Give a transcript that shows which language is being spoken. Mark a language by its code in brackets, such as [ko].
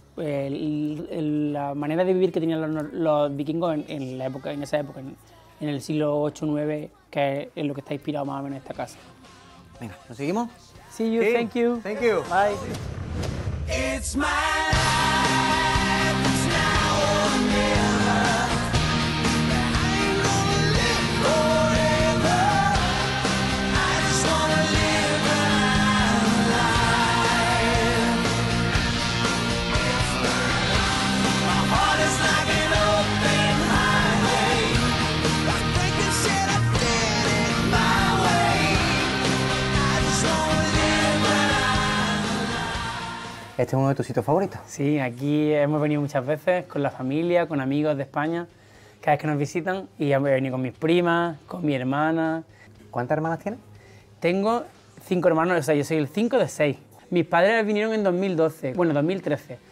[es] La manera de vivir que tenían los vikingos en el siglo 8-9, que es lo que está inspirado más o menos en esta casa. Venga, ¿nos seguimos? [en] See you, hey. Thank you. Thank you. Bye. It's my life, it's now or never. I ain't gonna live forever. I just wanna live alive. My heart is like an open highway. I think I said I did it my way. I just wanna live. [es] ¿Este es uno de tus sitios favoritos? Sí, aquí hemos venido muchas veces con la familia, con amigos de España, cada vez que nos visitan, y he venido con mis primas, con mi hermana. ¿Cuántas hermanas tienes? Tengo 5 hermanos, o sea, yo soy el 5 de 6. Mis padres vinieron en 2012, bueno, 2013.